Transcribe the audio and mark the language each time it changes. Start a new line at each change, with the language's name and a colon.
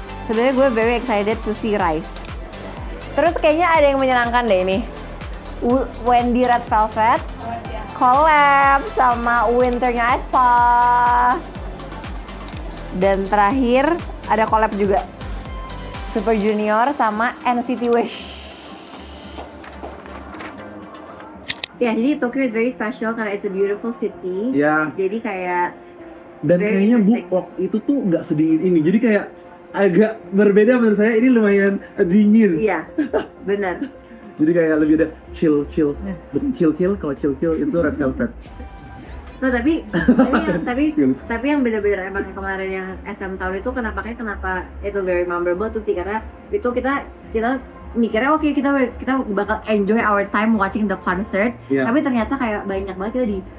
Indonesian: Sebenarnya gue
English: very excited to see Rice.
Indonesian: Terus kayaknya ada yang menyenangkan deh ini. Wendy Red Velvet collab sama Winternya Aespa. Dan terakhir ada collab juga Super Junior sama NCT Wish. Ya, jadi Tokyo
English: is very special
Indonesian: karena
English: it's a beautiful city. Yeah.
Indonesian: Jadi kayak dan kayaknya Bukok itu tuh nggak sedingin ini. Jadi kayak agak berbeda menurut saya, ini lumayan dingin. Iya, benar. Jadi kayak lebih ada chill-chill. Bukan chill-chill, kalau chill-chill itu Red Velvet. Nah, tapi yang benar-benar emang kemarin yang SM Town itu kenapa itu
English: very memorable
Indonesian: tuh sih, karena itu kita mikirnya oke, kita bakal
English: enjoy our time watching the concert.
Indonesian: Yeah. Tapi ternyata kayak banyak banget kita di